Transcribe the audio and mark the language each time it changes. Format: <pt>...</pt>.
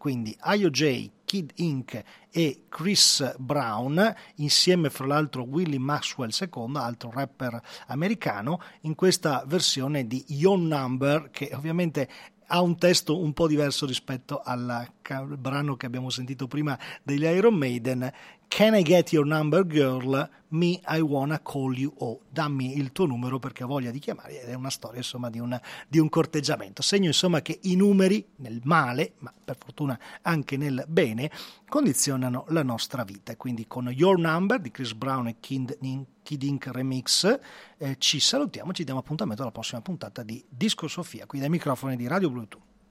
<it>Quindi IOJ, Kid Ink e Chris Brown, insieme fra l'altro Willie Maxwell II, altro rapper americano, in questa versione di Your Number, che ovviamente ha un testo un po' diverso rispetto al brano che abbiamo sentito prima degli Iron Maiden.</it> <en>Can I get your number, girl? Me, I wanna call you.</en> <it>Oh, dammi il tuo numero perché ho voglia di chiamare. Ed è una storia, insomma, di un corteggiamento. Segno, insomma, che i numeri, nel male, ma per fortuna anche nel bene, condizionano la nostra vita. Quindi con Your Number di Chris Brown e Kid Ink Remix ci salutiamo, ci diamo appuntamento alla prossima puntata di Disco Sofia, qui dai microfoni di Radio Bluetooth.</it>